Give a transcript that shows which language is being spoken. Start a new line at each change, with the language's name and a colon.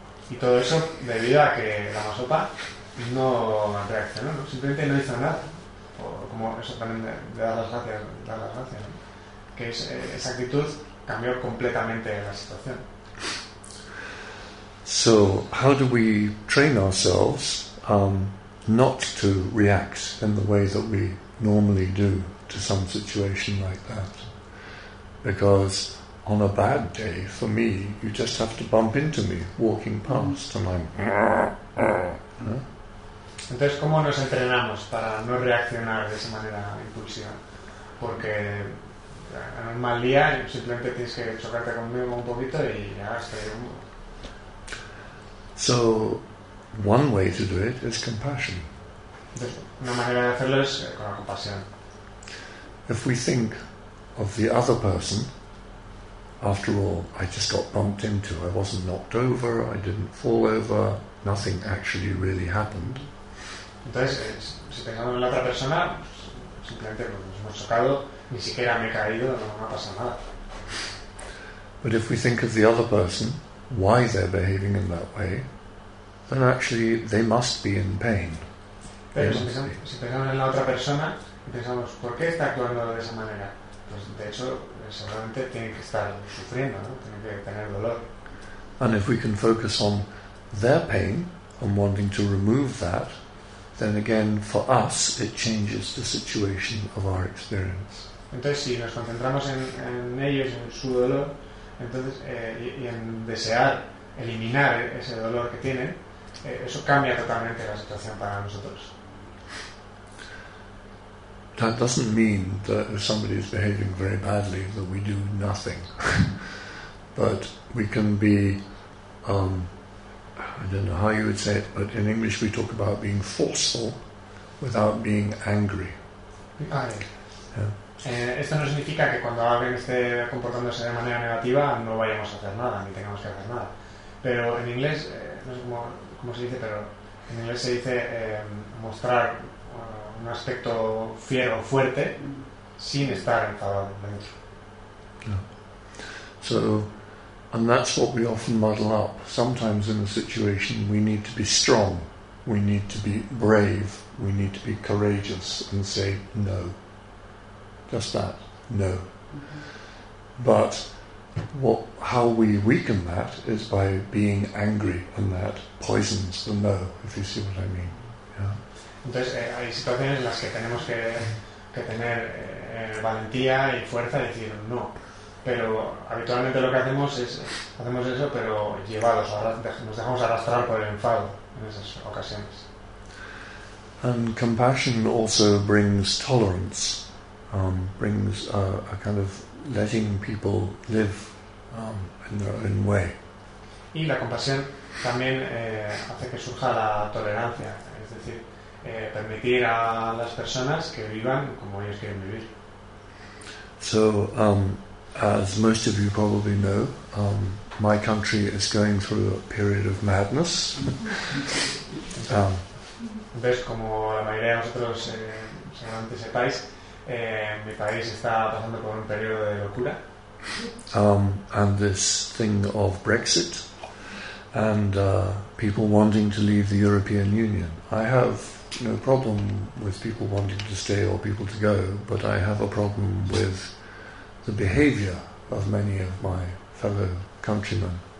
Spanish: Y todo eso debido a que Lama Zopa no reaccionó, ¿no? Simplemente no hizo nada. Como eso también de dar las gracias, ¿no? Que esa actitud cambió completamente la situación.
English: So, how do we train ourselves not to react in the way that we normally do to some situation like that? Because on a bad day, for me, you just have to bump into me walking past, and I'm...
Spanish: Entonces, ¿cómo nos entrenamos para no reaccionar de esa manera impulsiva? Porque en un mal día simplemente tienes que chocarte conmigo un poquito y ya estoy...
English: So, one way to do it is compassion.
Spanish: Una manera de hacerlo es con la compasión.
English: If we think of the other person, after all, I just got bumped into, I wasn't knocked over, I didn't fall over, nothing actually really happened.
Spanish: Entonces, si pensamos en la otra persona, simplemente nos hemos chocado, ni siquiera me he caído, no me ha pasado nada.
English: But if we think of the other person, why they're behaving in that way, then actually they must be in pain.
Spanish: Si pensamos en la otra persona, pensamos, ¿por qué está actuando de esa manera? Pues de hecho, seguramente tiene que estar sufriendo, ¿no? Tiene que tener dolor.
English: And if we can focus on their pain and wanting to remove that, then again for us it changes the situation of our experience.
Spanish: Entonces, si nos concentramos en ellos, en su dolor, entonces y en desear eliminar ese dolor que tienen, eso cambia totalmente la situación para nosotros.
English: That doesn't mean that if somebody is behaving very badly that we do nothing, but we can be, I don't know how you would say it, but in English we talk about being forceful without being angry. Ah, yeah.
Spanish: Esto no significa que cuando alguien esté comportándose de manera negativa no vayamos a hacer nada, ni tengamos que hacer nada. Pero en inglés, no sé cómo se dice, pero en inglés se dice mostrar un aspecto fiero, fuerte, sin estar enfadado dentro.
English: Yeah. So, and that's what we often muddle up. Sometimes in a situation we need to be strong, we need to be brave, we need to be courageous and say no. Just that, no. But how we weaken that is by being angry, and that poisons the no, if you see what I mean. Yeah.
Spanish: Entonces, hay situaciones en las que tenemos que tener valentía y fuerza y decir no. Pero habitualmente lo que hacemos eso, pero llevados, nos dejamos arrastrar por el enfado en esas ocasiones.
English: And compassion also brings tolerance. Brings a kind of letting people live in their own way.
Spanish: Y la compasión también hace que surja la tolerancia, es decir, permitir a las personas que vivan como ellos quieren vivir.
English: So, as most of you probably know, my country is going through a period of madness.
Spanish: Entonces, como la mayoría de nosotros seguramente sepáis, mi país está pasando por un periodo de locura.
English: And this thing of Brexit and people wanting to leave the European Union. I have no problem with people wanting to stay or people to go, but I have a problem with the behaviour of many of my fellow countrymen.